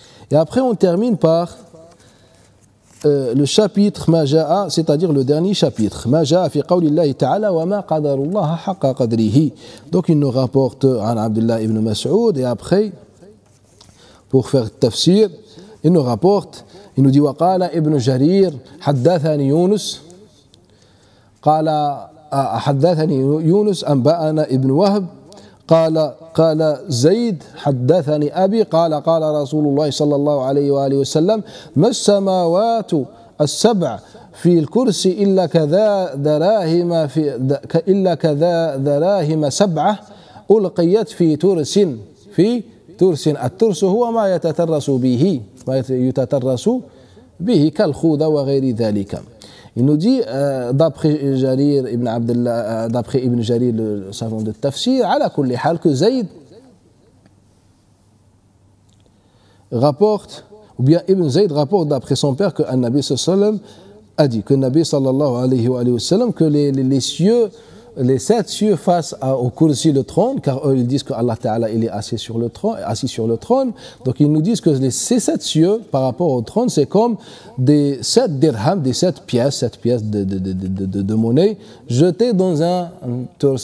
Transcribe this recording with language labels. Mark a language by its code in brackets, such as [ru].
[fr] Et après, on termine par le chapitre Maja'a, c'est-à-dire le dernier chapitre. [ar] Maja'a fi qawlillahi ta'ala wa ma qadarullaha haqqa qadrihi. [fr] Donc, il nous rapporte An Abdullah ibn Mas'ud. Et après, pour faire tafsir, il nous rapporte... Il nous dit, [ar] وقال ابن جرير حدثني يونس قال حدثني يونس أنبأنا ابن وهب قال زيد حدثني أبي قال رسول الله صلى الله عليه وآله وسلم ما السماوات السبع في الكرسي إلا كذا دراهم في إلا كذا دراهم سبعة ألقيت في ترس في ترس الترس هو ما يتترس به ما يتترس به كالخوذة وغير ذلك. [fr] Il nous dit, d'après Jarir ibn Abdullah, d'après Ibn Jarir, le savant de Tafsir, à la kulli hal, que Zayd rapporte, ou bien Ibn Zayd rapporte d'après son père que Nabi sallallahu alayhi wa sallam a dit, que Nabi sallallahu alayhi wa sallam, que les cieux, les sept cieux face au kursi, le trône, car eux ils disent que Allah Ta'ala il est assis sur le trône, donc ils nous disent que ces sept cieux par rapport au trône c'est comme des sept dirhams, des sept pièces de monnaie jetées dans un turs.